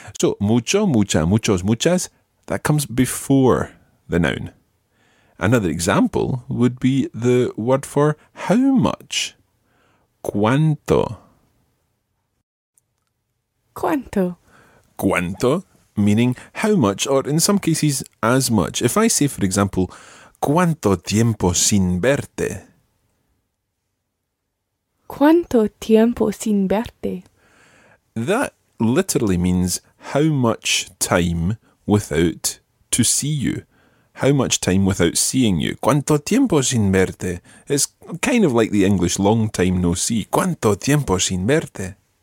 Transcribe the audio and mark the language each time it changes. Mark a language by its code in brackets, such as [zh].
[en] So, [es] mucho, mucha, muchos, muchas, [en] that comes before the noun. Another example would be the word for how much. [es] ¿Cuánto? ¿Cuánto? ¿Cuánto? [en] Meaning how much, or in some cases, as much. If I say, for example, [es] ¿cuánto tiempo sin verte? ¿Cuánto tiempo sin verte? [en] That literally means how much time without to see you. How much time without seeing you? [es] ¿Cuánto tiempo sin verte? [en] It's kind of like the English long time no see. [es] ¿Cuánto tiempo sin verte?